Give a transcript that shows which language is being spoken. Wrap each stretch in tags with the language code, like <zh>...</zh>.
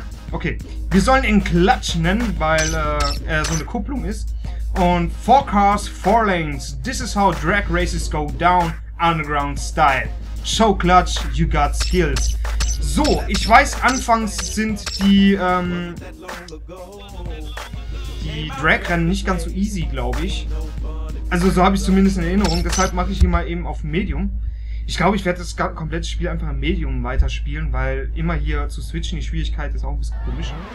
<de>Okay, wir sollen ihn Clutch nennen, weil er so eine Kupplung ist.</de> <en>Und 4 cars, 4 lanes. This is how drag races go down, underground style. Show Clutch, you got skills.</en> <de>So, ich weiß, anfangs sind die, die Drag-Rennen nicht ganz so easy, glaube ich. Also so habe ich zumindest in Erinnerung. Deshalb mache ich hier mal eben auf Medium. Ich glaube, ich werde das komplette Spiel einfach im Medium weiterspielen, weil immer hier zu switchen, die Schwierigkeit ist auch ein bisschen komisch.</de>